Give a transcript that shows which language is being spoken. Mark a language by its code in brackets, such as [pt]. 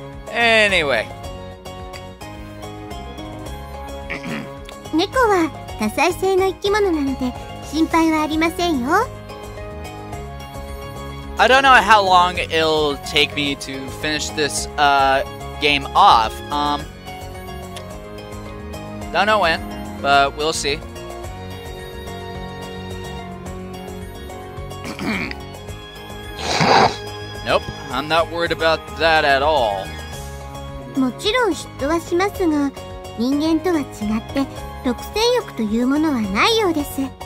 [en] Anyway. [ja] 猫は多彩性の生き物なので心配はありませんよ。 [en] I don't know how long it'll take me to finish this game off. Don't know when, but we'll see. Nope, I'm not worried about that at all. [ja] もちろん嫉妬はしますが、人間とは違って。独占欲というものはないようです。